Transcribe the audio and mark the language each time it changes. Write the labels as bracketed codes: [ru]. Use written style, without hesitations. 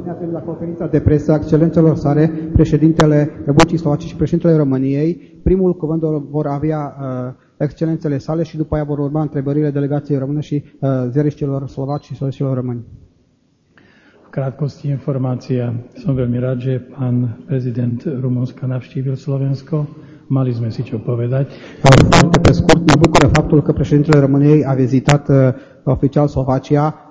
[ro] la conferința de presă a excelențelor sale, președintele Republicii Slovacie și președintele României, primul cuvânt vor avea excelențele sale și după aia vor urma întrebările delegației române și ziariștilor slovaci și slovacilor români. [sk] Krátkosti informácia. Som veľmi rád, že pán prezident Rumunska navštívil Slovensko. Mali sme si čo povedať. [ro] Foarte pe scurt, mă bucură faptul că președintele României a vizitat oficial Slovacia.